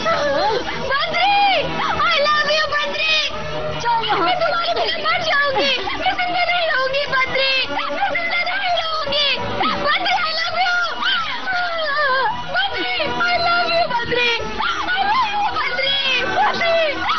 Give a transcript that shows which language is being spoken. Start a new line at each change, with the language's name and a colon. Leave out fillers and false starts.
English: Badri, I love you Badri.
Hindi: मैं तुम्हारी बिना मर जाऊंगी, मैं जिंदा नहीं रहूंगी बद्री, मैं जिंदा नहीं रहूंगी Badri.
English: I love you Badri, I love you Badri, I love you Badri, Badri